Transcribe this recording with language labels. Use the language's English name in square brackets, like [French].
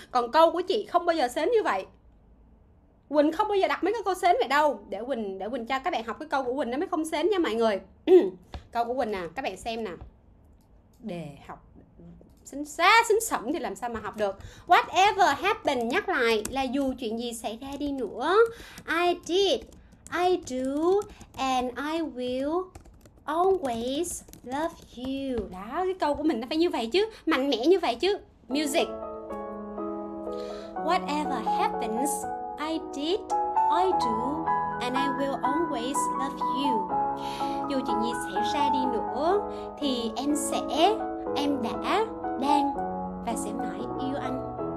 [Vietnamese] Còn câu của chị không bao giờ xến như vậy. Quỳnh không bao giờ đặt mấy cái câu sến vậy đâu. Để Quỳnh cho các bạn học cái câu của Quỳnh nó mới không sến nha mọi người. Câu của Quỳnh nè, các bạn xem nè. Đề học xính xá, xính sẩm thì làm sao mà học được. [English] Whatever happened, [Vietnamese] nhắc lại là dù chuyện gì xảy ra đi nữa. [English] I did, I do and I will always love you. [Vietnamese] Đó, cái câu của mình nó phải như vậy chứ, mạnh mẽ như vậy chứ. Music. [English] Whatever happens, I did, I do, and I will always love you. [Vietnamese] Dù chuyện gì xảy ra đi nữa, thì em sẽ, em đã, đang và sẽ mãi yêu anh.